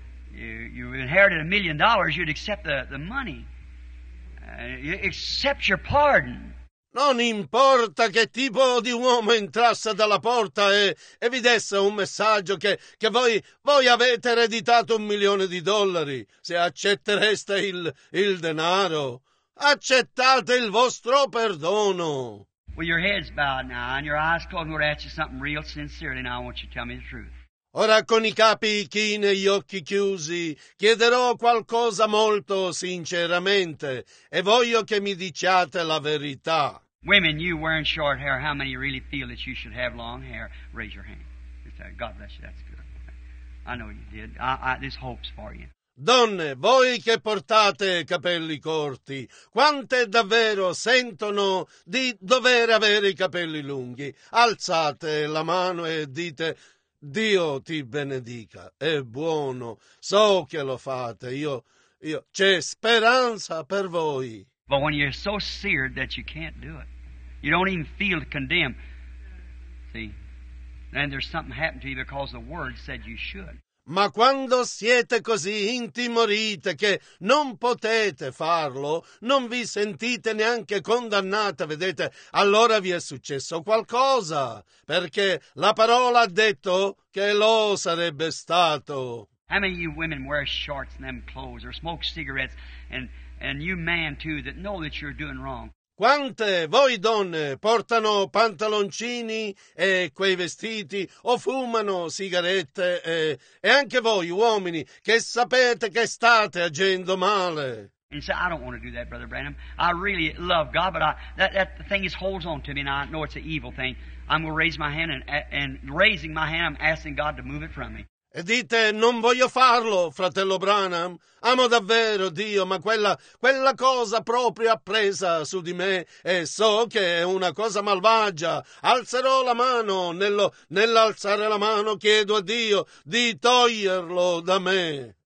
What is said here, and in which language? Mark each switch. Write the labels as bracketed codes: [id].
[en] You inherited $1 million, you'd accept the money. You accept your pardon. [it] Non importa che tipo di uomo entrasse dalla porta e vi desse un messaggio che voi avete ereditato $1 million, se accettereste il denaro, accettate il vostro perdono. [en] With your heads bowed now and your eyes closed, I'm going to ask you something real sincerely now. I want you to tell me the truth. [it] Ora con i capi chini e gli occhi chiusi chiederò qualcosa molto sinceramente e voglio che mi diciate la verità. [en] Women, you wearing short hair, how many really feel that you should have long hair? Raise your hand. God bless you, that's good. I know you did. This hope's for you. [it] Donne, voi che portate capelli corti, quante davvero sentono di dover avere i capelli lunghi? Alzate la mano e dite... Dio ti benedica, è buono, so che lo fate, io c'è speranza per voi. [en] But when you're so seared that you can't do it, you don't even feel condemned, see, then there's something happened to you because the word said you should. [it] Ma quando siete così intimorite che non potete farlo, non vi sentite neanche condannate, vedete, allora vi è successo qualcosa, perché la parola ha detto che lo sarebbe stato. [en] How many of you women wear shorts and them clothes or smoke cigarettes and you man too that know that you're doing wrong? [it] Quante voi donne portano pantaloncini e quei vestiti o fumano sigarette e anche voi uomini che sapete che state agendo male. [en] And say, I don't want to do that, Brother Branham. I really love God, but that thing just holds on to me, and I know it's an evil thing. I'm going to raise my hand, and raising my hand, I'm asking God to move it from me. [it] E dite, non voglio farlo, fratello Branham. Amo davvero Dio, ma quella cosa proprio ha presa su di me e so che è una cosa malvagia. Alzerò la mano, nell'alzare la mano chiedo a Dio di toglierlo da me.